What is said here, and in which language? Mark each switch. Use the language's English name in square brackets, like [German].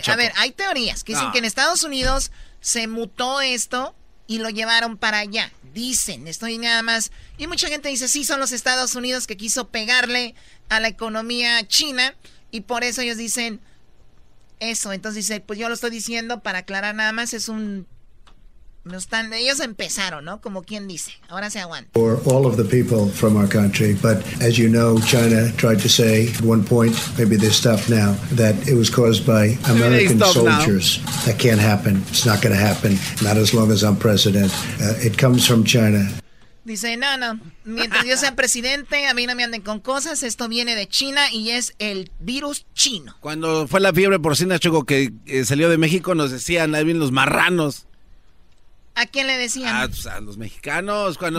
[Spanish] Choco. A ver, hay teorías que dicen que en Estados Unidos se mutó esto y lo llevaron para allá. Dicen, estoy nada más... Y mucha gente dice, sí, son los Estados Unidos que quiso pegarle a la economía china y por eso ellos dicen... Eso, entonces dice, pues yo lo estoy diciendo para aclarar nada más, es un... No están, ellos empezaron, ¿no? Como quien dice, ahora se aguanta. [English] For all of the people from our country, but as you know, China tried to say at one point, maybe they stopped now, that it was caused by American soldiers. Now. That can't happen, it's not going to happen, not as long as I'm president. It comes from China. [Spanish] Dice, no, mientras yo sea presidente, a mí no me anden con cosas, esto viene de China y es el virus chino. Cuando fue la fiebre porcina, Choco, que salió de México, nos decían, ahí vienen los marranos. ¿A quién le decían? A los mexicanos. Cuando...